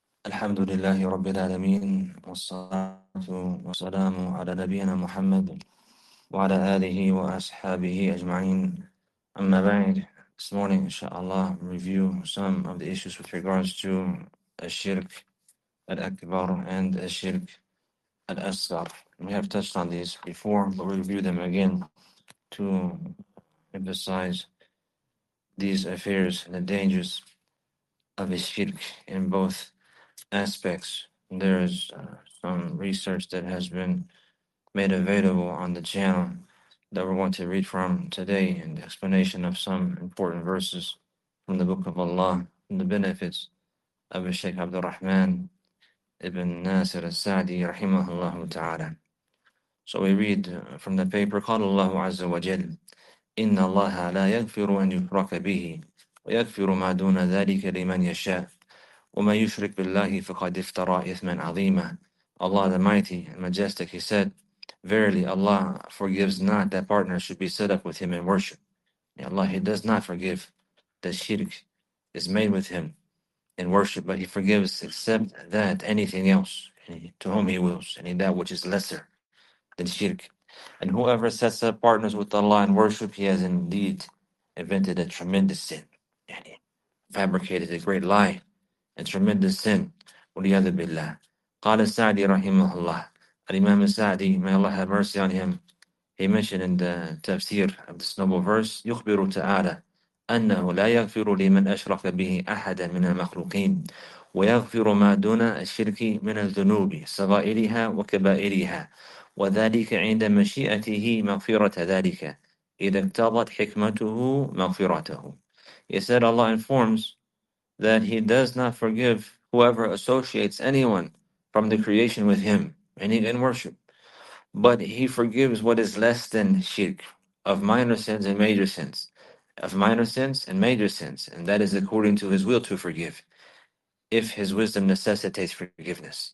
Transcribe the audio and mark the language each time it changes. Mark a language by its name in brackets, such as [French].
[Arabic] الحمد لله رب العالمين، والصلاة والسلام على نبينا محمد وعلى آله وأصحابه أجمعين. أما بعد، [English] this morning [Arabic] إن شاء الله [English] review some of the issues with regards to [Arabic] الشرك الأكبر [English] and [Arabic] الشرك الأصغر. [English] We have touched on these before, but we'll review them again to emphasize these affairs and the dangers of الشرك in both aspects. There is some research that has been made available on the channel that we're going to read from today, and the explanation of some important verses from the Book of Allah and the benefits of Sheikh Abdul Rahman ibn Nasir al-Sa'di rahimahullah ta'ala. So we read from the paper, [Arabic] قال الله عز وجل إن الله لا يغفر أن يشرك به ويغفر ما دون ذلك لمن يشاء وَمَنْ يُشْرِكْ بِاللَّهِ فَقَدْ افْتَرَى إِثْمًا عَظِيمًا. [English] Allah the Mighty and Majestic, He said, verily Allah forgives not that partners should be set up with Him in worship. And Allah, He does not forgive the shirk is made with Him in worship, but He forgives except that anything else to whom He wills, any that which is lesser than shirk. And whoever sets up partners with Allah in worship, he has indeed invented a tremendous sin, and he fabricated a great lie. And tremendous sin. [Arabic] وَلِيَذَ بِاللَّهِ قَالَ السَّعْدِي رَحِمَهُ اللَّهِ الإمام السَّعْدِي, [English] may Allah have mercy on him, [Arabic] he mentioned in the tafsir of this noble verse, يُخْبِرُ تَعَالَى أَنَّهُ لَا يَغْفِرُ لِمَنْ أَشْرَكَ بِهِ أَحَدًا مِنَ الْمَخْلُوقِينَ وَيَغْفِرُ مَا دُونَ الشِّرْكِ مِنَ الذُّنُوبِ صَغَائِرِهَا وَكَبَائِرِهَا وَذَلِكَ عِنْدَ مَشِيئَتِهِ مَغْفِرَةَ ذَلِكَ إِذَا اقْتَضَتْ حِكْمَتُهُ مَغْفِرَتَهُ. [English] He said, Allah informs that He does not forgive whoever associates anyone from the creation with Him, meaning in worship, but He forgives what is less than shirk, of minor sins and major sins, of minor sins and major sins, and that is according to His will to forgive, if His wisdom necessitates forgiveness.